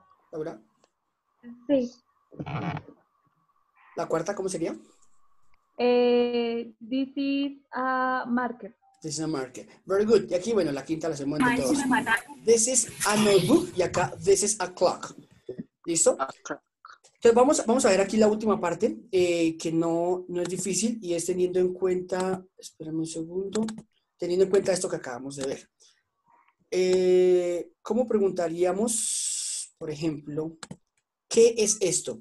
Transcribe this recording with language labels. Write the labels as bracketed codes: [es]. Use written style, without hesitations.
[es] ¿Laura? Sí. ¿La cuarta cómo sería? [en] This is a marker. This is a marker. Very good. [es] Y aquí, bueno, la quinta la hacemos entre todos. [en] This is a notebook [es] y acá [en] this is a clock. [es] ¿Listo? Entonces vamos a ver aquí la última parte, que no es difícil y es teniendo en cuenta, espérame un segundo, teniendo en cuenta esto que acabamos de ver. ¿Cómo preguntaríamos, por ejemplo, qué es esto?